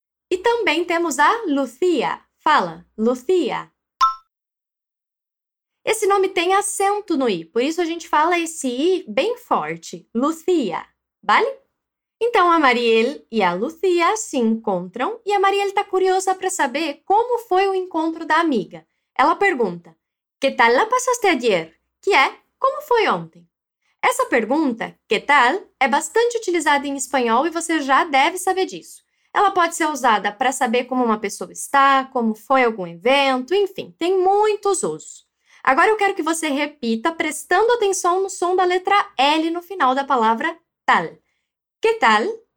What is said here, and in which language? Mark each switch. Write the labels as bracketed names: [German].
[Portuguese] E também temos a Lucía. Fala, Lucía. Esse nome tem acento no I, por isso a gente fala esse I bem forte. Lucía. Vale? Então, a Mariel e a Lucía se encontram e a Mariel está curiosa para saber como foi o encontro da amiga. Ela pergunta, [Spanish] ¿Qué tal la pasaste ayer? [Portuguese] Que é, como foi ontem? Essa pergunta, [Spanish] ¿Qué tal? [Portuguese] É bastante utilizada em espanhol e você já deve saber disso. Ela pode ser usada para saber como uma pessoa está, como foi algum evento, enfim, tem muitos usos. Agora eu quero que você repita prestando atenção no som da letra L no final da palavra [Spanish] ¿Qué tal?